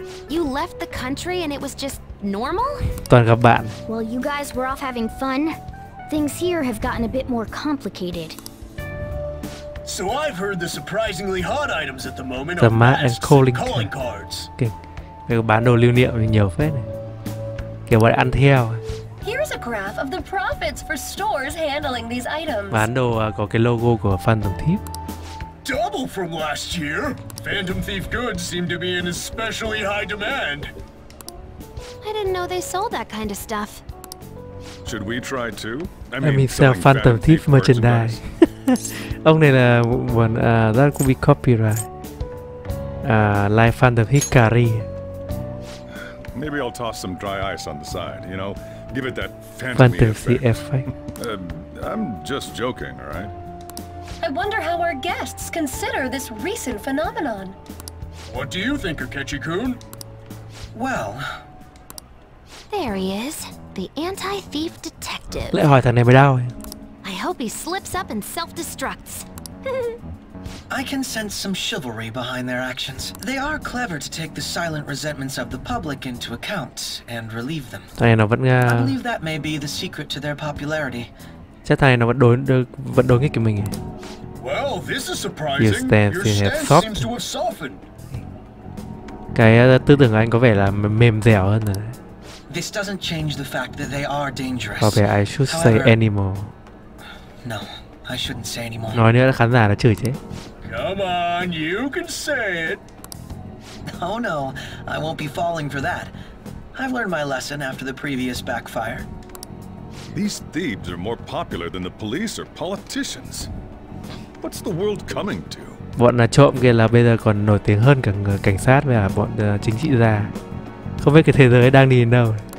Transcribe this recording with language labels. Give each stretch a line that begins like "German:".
English: You left the country and it was just normal?
Vietnamese: Toàn gặp bạn.
English: Well, you guys were off having fun. Things here have gotten a bit more complicated. So I've heard the surprisingly hot items at the moment the are masks and calling cards. Okay.
Vietnamese: Cái bán đồ lưu niệm thì nhiều phết này. Kiểu bọn ăn theo.
English: Here's a graph of the profits for stores handling these items.
Vietnamese: Bán đồ có cái logo của Phan Tổng Thiếp.
English: Double from last year. Phantom Thief goods seem to be in especially high demand. I didn't know they sold that kind of stuff. Should we try too? I mean sell Phantom Thief merchandise.
Vietnamese: Ông này là một
English: that could be copyright. Life Phantom Thief Curry. Maybe I'll toss some dry ice on the side, you know, give it that Phantom Thief effect. I'm just joking, all right? I wonder how our guests consider this recent phenomenon. What do you think, Akechi-kun? Well, there he is, the anti-thief detective.
Vietnamese: Lại hỏi thằng này mới đau.
English: I hope he slips up and self-destructs. I can sense some chivalry behind their actions. They are clever to take the silent resentments of the public into account and relieve them.
Vietnamese: Thằng này nó vẫn
English: I believe that may be the secret to their popularity.
Vietnamese: Chắc thằng này nó vẫn đối nghịch với mình.
English: Well, this is surprising. Your stance seems to have softened.
Vietnamese: Cái tư tưởng của anh có vẻ là mềm dẻo hơn rồi.
English: This doesn't change the fact that they are dangerous. Okay, I should However, say anymore. No, I shouldn't say anymore.
Vietnamese: Nói nữa là khán giả đã chửi chứ.
English: Come on, you can say it. Oh no, I won't be falling for that. I've learned my lesson after the previous backfire. These thieves are more popular than the police or politicians. What's the world coming to?
Vietnamese: Bọn trộm kia là bây giờ còn nổi tiếng hơn cả người cảnh sát và bọn chính trị gia. Không biết cái thế giới đang đi đến đâu.